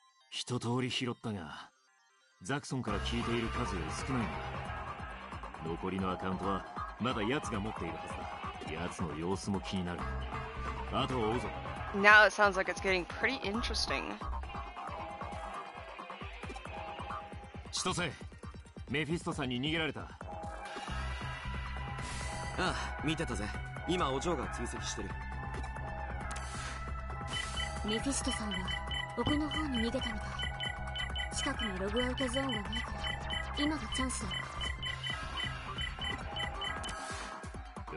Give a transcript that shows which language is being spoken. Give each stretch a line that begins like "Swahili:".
Japanese: 一通り拾ったが、ザクソンから聞いている数より少ないんだ。残りのアカウントはまだ奴が持っているはずだ。奴の様子も気になる。後を追うぞ。
English: Now it sounds like it's getting pretty interesting.
Japanese: どうせ、メフィストさんに逃げられた。ああ、見てたぜ。今お嬢が追跡してる。メフィストさんは奥の方に逃げたみたい。近くにログアウトゾーンがないから今がチャンスだ。